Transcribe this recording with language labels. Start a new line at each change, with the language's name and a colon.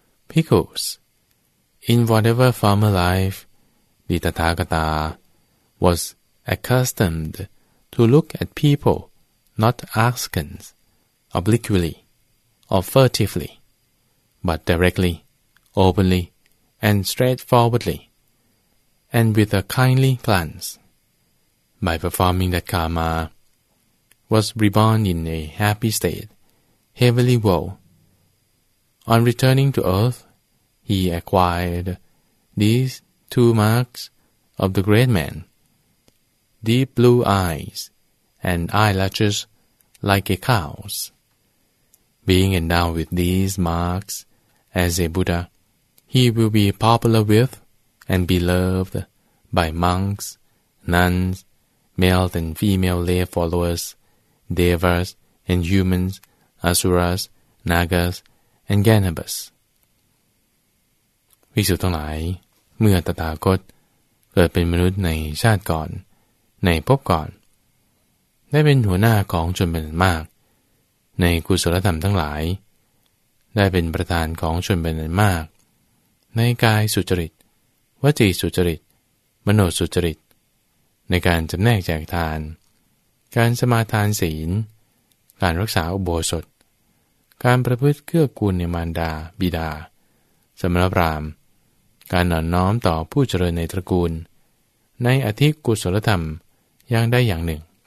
English: Pickles In whatever former life the Tathagata was accustomed to look at peopleNot askance, obliquely, or furtively, but directly, openly, and straightforwardly, and with a kindly glance. By performing that karma, was reborn in a happy state, heavenly world. On returning to earth, he acquired these two marks of the great man, deep blue eyes and eyelashes. Like a cow's. Being endowed with these marks as a Buddha, he will be popular with and beloved by monks, nuns, male and female lay followers, devas and humans, asuras, nagas, and ganabas.
Thai: ภิกษุทั้งหลายเมื่อตถาคตเกิดเป็นมนุษย์ในชาติก่อนในภพก่อนได้เป็นหัวหน้าของชนเป็นมากในกุศลธรรมทั้งหลาย ได้เป็นประธานของชนเป็นอันมากในกายสุจริตวจีสุจริตมโนสุจริตในการจำแนกแจกทานการสมาทานศีลการรักษาอุโบสถการประพฤติเกื้อกูลในมารดาบิดาสมณพราหมณ์การหนอนน้อมต่อผู้เจริญในตระกูลในอธิกุศลธรรมอย่างใดอย่างหนึ่ง